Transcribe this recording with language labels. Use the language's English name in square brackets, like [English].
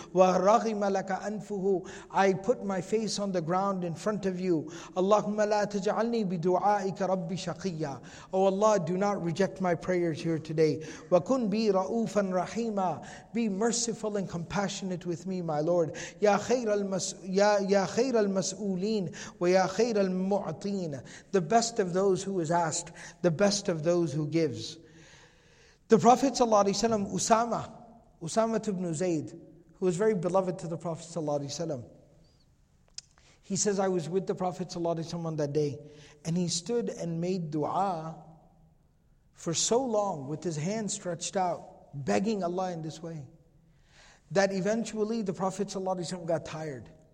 [Arabic] Wa raghima laka anfuhu. [English] I put my face on the ground in front of you. [Arabic] Allahumma la taj'alni bidu'aika rabbi shaqiyya. [English] O Allah, do not reject my prayers here today. [Arabic] Wa kun bi ra'ufan rahima. [English] Be merciful and compassionate with me, my Lord. [Arabic] Ya خير المسؤولين ويا خير المعطين. [English] The best of those who is asked, the best of those who gives. The Prophet ﷺ, Usama ibn Zayd, who was very beloved to the Prophet ﷺ, he says, I was with the Prophet ﷺ on that day, and he stood and made dua for so long with his hands stretched out, begging Allah in this way, that eventually the Prophet ﷺ got tired.